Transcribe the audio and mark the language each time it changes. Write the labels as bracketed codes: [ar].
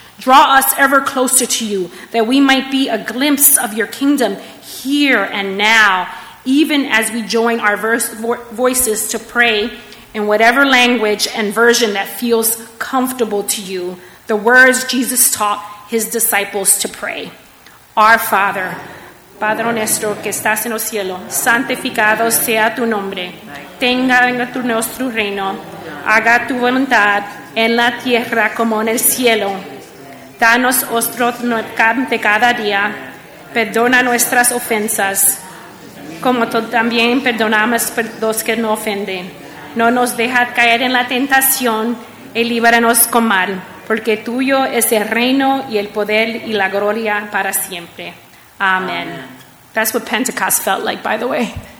[en] Draw us ever closer to you, that we might be a glimpse of your kingdom here and now, even as we join our voices to pray in whatever language and version that feels comfortable to you, the words Jesus taught his disciples to pray. Our Father, [es] Padre nuestro que estás en los cielos, santificado sea tu nombre. Tenga tu nuestro reino. Haga tu voluntad en la tierra como en el cielo. Danos nuestro pan de cada día. Perdona nuestras ofensas, como también perdonamos a los que nos ofenden. No nos dejes caer en la tentación y líbranos con mal, porque tuyo es el reino y el poder y la gloria para siempre. [en] Amen. That's what Pentecost felt like, by the way.